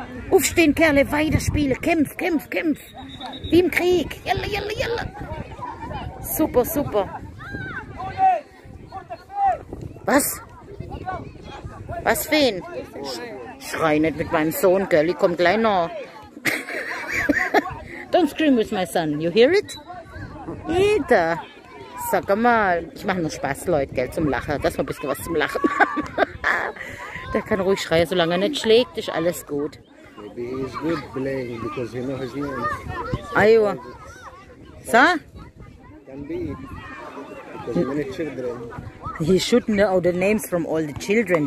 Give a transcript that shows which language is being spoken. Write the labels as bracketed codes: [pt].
[de] Aufstehen, Kerle, weiterspielen. Kämpf, kämpf, kämpf. Wie im Krieg. [ar] Jalla, jalla, jalla. Super, super. [de] Was? Was für ihn? Schrei nicht mit meinem Sohn, gell, ich komm gleich noch. [en] Don't scream with my son, you hear it? [de] Eda, sag mal, ich mach nur Spaß, Leute, gell, zum Lachen, dass wir ein bisschen was zum Lachen haben. Der kann ruhig schreien, solange er nicht schlägt, ist alles gut. [en] Maybe he's good playing, because he knows his name. [ar] Aywa. So? [en] Can be, because many children. He should know the names from all the children.